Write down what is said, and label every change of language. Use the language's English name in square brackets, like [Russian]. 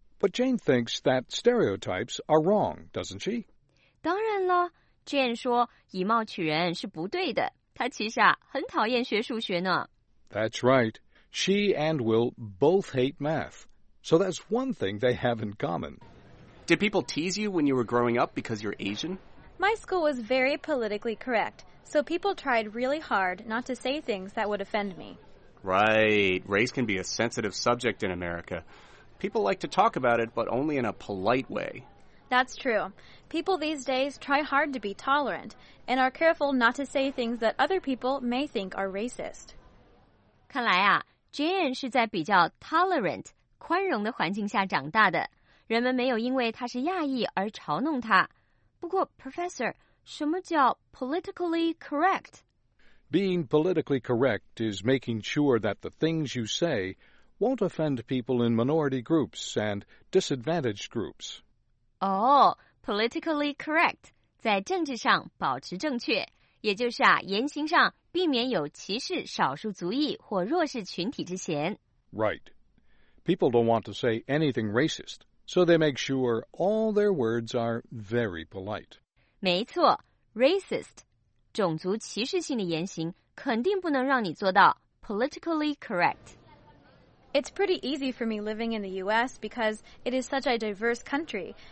[English] But Jane thinks that stereotypes are wrong, doesn't she? [Chinese] 当然了， Jane 说以貌取人是不对的，他其实啊很讨厌学数学呢。 [English] That's right. She and Will both hate math. So that's one thing they have in common. Did people tease you when you were growing up because you're Asian? My school was very politically correct, so people tried really hard not to say things that would offend me. Right. Race can be a sensitive subject in America. People like to talk about it, but only in a polite way. That's true. People these days try hard to be tolerant and are careful not to say things that other people may think are racist. [Chinese] 看来啊 ,Jane 是在比较 tolerant, 宽容的环境下长大的。人们没有因为她是亚裔而嘲弄她。不过 ,Professor, 什么叫 politically correct? [English] Being politically correct is making sure that the things you say, won't offend people in minority groups and disadvantaged groups. Oh, politically correct. [Chinese] 在政治上保持正确，也就是啊，言行上避免有歧视少数族裔或弱势群体之嫌。 [English] Right. People don't want to say anything racist, so they make sure all their words are very polite. [Chinese] 没错 ,racist, 种族歧视性的言行肯定不能让你做到 politically correct. [English] It's pretty easy for me living in the U.S. because it is such a diverse country.